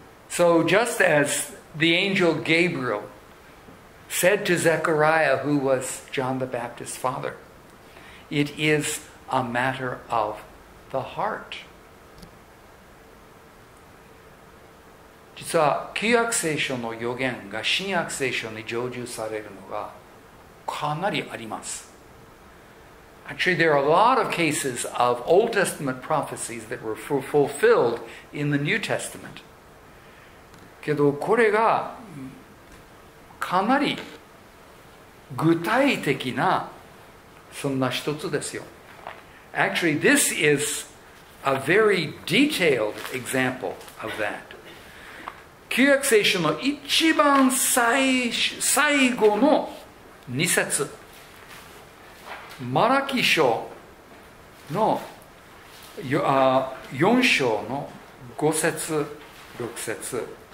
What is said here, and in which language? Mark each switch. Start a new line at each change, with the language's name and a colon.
English: So just as the angel Gabriel said to Zechariah, who was John the Baptist's father, it is a matter of the heart.
Japanese: 実は旧約聖書の予言が新約聖書に成就されるのがかなりあります。
English: Actually, there are a lot of cases of Old Testament prophecies that were fulfilled in the New Testament.
Japanese: けどこれがかなり具体的なそんな一つですよ。
English: Actually, this is a very detailed example of that.
Japanese: 旧約聖書の一番最後の2節、マラキ書の4章の5節6節、